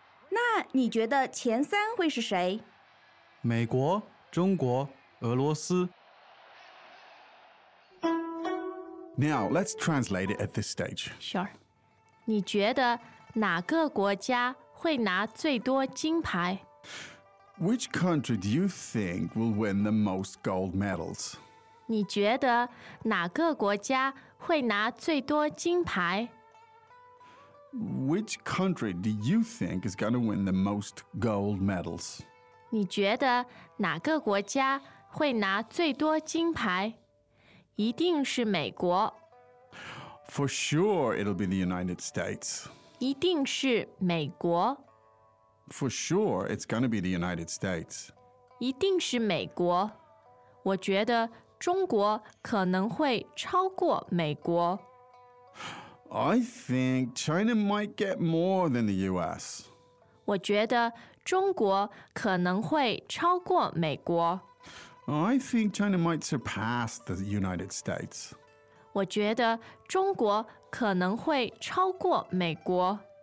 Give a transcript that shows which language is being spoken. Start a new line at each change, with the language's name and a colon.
Chinese: 那你觉得前三会是谁？美国、中国、俄罗斯。
English: Now, let's translate it at this stage. Sure.
Chinese: 你觉得哪个国家会拿最多金牌?
English: Which country do you think will win the most gold medals?
Chinese: 你觉得哪个国家会拿最多金牌?
English: Which country do you think is going to win the most gold medals?
Chinese: 你觉得哪个国家会拿最多金牌? 一定是美国。
English: For sure, it'll be the United States.
Chinese: 一定是美国。
English: For sure, it's going to be the United States.
Chinese: 一定是美国。我觉得中国可能会超过美国。
English: I think China might get more than the US.
Chinese: 我觉得中国可能会超过美国。
English: I think China might surpass the United States.
Chinese: 我觉得中国可能会超过美国。